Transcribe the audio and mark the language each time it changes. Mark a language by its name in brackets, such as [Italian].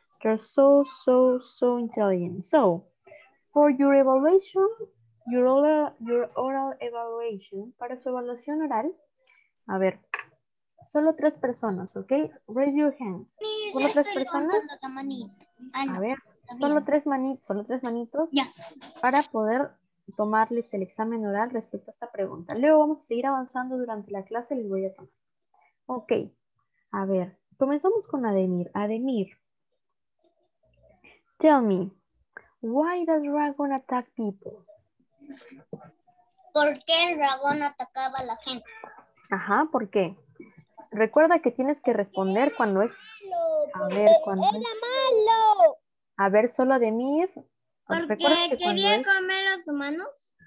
[English] You're so intelligent. So, for your evaluation, your oral evaluation, [Spanish] para su evaluación oral, a ver, solo tres personas, ¿ok? [English] Raise your hands. [Spanish] Solo tres personas. A ver, solo tres manitos. Ya. Para poder tomarles el examen oral respecto a esta pregunta. Luego vamos a seguir avanzando durante la clase, les voy a tomar. Ok, a ver, comenzamos con Ademir. [English] Ademir, tell me, why does dragon attack people? [Spanish] ¿Por qué el dragón atacaba a la gente? Ajá, ¿por qué? Recuerda que tienes que responder cuando es... A ver, cuando... ¡Era malo! A ver, solo Ademir. ¿Porque quería comer a los humanos?